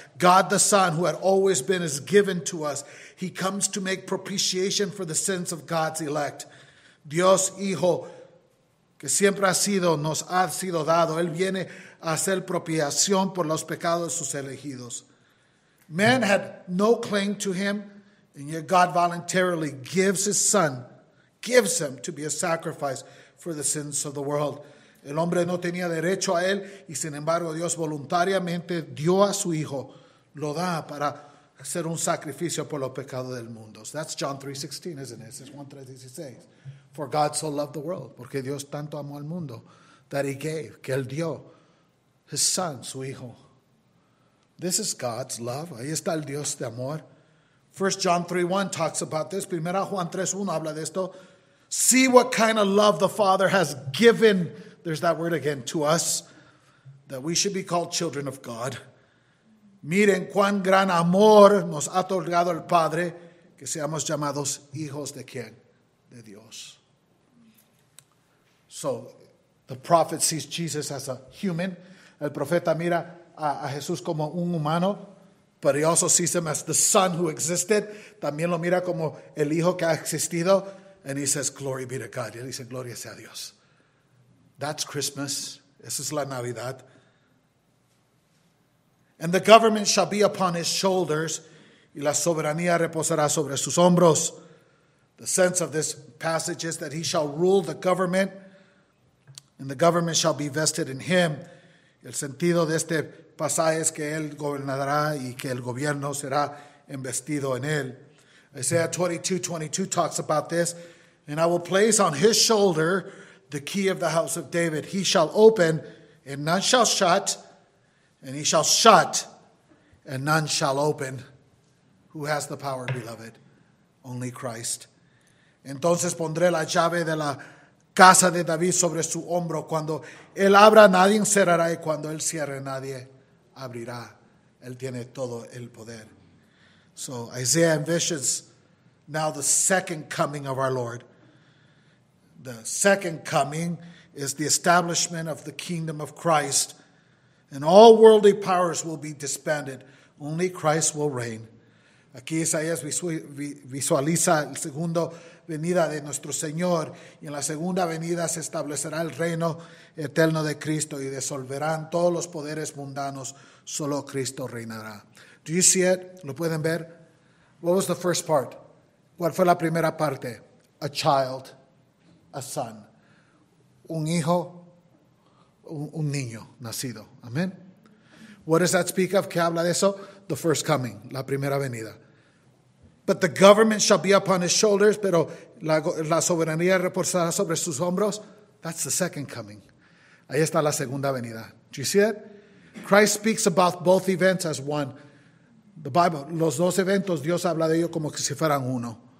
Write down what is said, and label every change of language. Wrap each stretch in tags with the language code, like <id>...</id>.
<en>God the Son, who had always been, is given to us. He comes to make propitiation for the sins of God's elect.</en> <es>Dios Hijo, que siempre ha sido, nos ha sido dado. Él viene a hacer propiciación por los pecados de sus elegidos.</es> <en>Man had no claim to him, and yet God voluntarily gives his son, gives him to be a sacrifice for the sins of the world.</en> <es>El hombre no tenía derecho a él, y sin embargo Dios voluntariamente dio a su hijo, lo da para hacer un sacrificio por los pecados del mundo.</es> <en>So that's John 3:16, isn't it? It's 1:3:16. For God so loved the world,</en> <es>porque Dios tanto amó al mundo,</es> <en>that he gave,</en> <es>que él dio,</es> <en>his son,</en> <es>su hijo.</es> <en>This is God's love.</en> <es>Ahí está el Dios de amor.</es> <en>1 John 3:1 talks about this.</en> <es>Primera Juan 3:1 habla de esto.</es> <en>See what kind of love the Father has given, there's that word again, to us, that we should be called children of God.</en> <es>Miren cuán gran amor nos ha otorgado el Padre, que seamos llamados hijos de quién? De Dios.</es> <en>So, the prophet sees Jesus as a human.</en> <es>El profeta mira a Jesús como un humano,</es> <en>but he also sees him as the Son who existed.</en> <es>También lo mira como el Hijo que ha existido.</es> <en>And he says, glory be to God.</en> <es>Y él dice, gloria sea a Dios.</es> <en>That's Christmas.</en> <es>Esa es la Navidad.</es> <en>And the government shall be upon his shoulders.</en> <es>Y la soberanía reposará sobre sus hombros.</es> <en>The sense of this passage is that he shall rule the government. And the government shall be vested in him.</en> <es>El sentido de este pasaje es que él gobernará y que el gobierno será investido en él.</es> <en>Isaiah 22:22 talks about this. And I will place on his shoulder the key of the house of David. He shall open and none shall shut. And he shall shut and none shall open. Who has the power, beloved? Only Christ.</en> <es>Entonces pondré la llave de la casa de David sobre su hombro. Cuando él abra, nadie cerrará. Y cuando él cierre, nadie abrirá. Él tiene todo el poder.</es> <en>So Isaiah envisions now the second coming of our Lord. The second coming is the establishment of the kingdom of Christ. And all worldly powers will be disbanded. Only Christ will reign.</en> <es>Aquí Isaías visualiza el segundo venida de nuestro Señor. Y en la segunda venida se establecerá el reino eterno de Cristo y disolverán todos los poderes mundanos. Solo Cristo reinará.</es> <en>Do you see it?</en> <es>¿Lo pueden ver?</es> <en>What was the first part?</en> <es>¿Cuál fue la primera parte?</es> <en>A child. A son,</en> <es>un hijo, un niño nacido.</es> <en>Amen. What does that speak of?</en> <es>¿Qué habla de eso?</es> <en>The first coming,</en> <es>la primera venida.</es> <en>But the government shall be upon his shoulders,</en> <es>pero la soberanía reposará sobre sus hombros.</es> <en>That's the second coming.</en> <es>Ahí está la segunda venida.</es> <en>Do you see it? Christ speaks about both events as one.</en> <es>The Bible, los dos eventos, Dios habla de ellos como que si fueran uno.</es>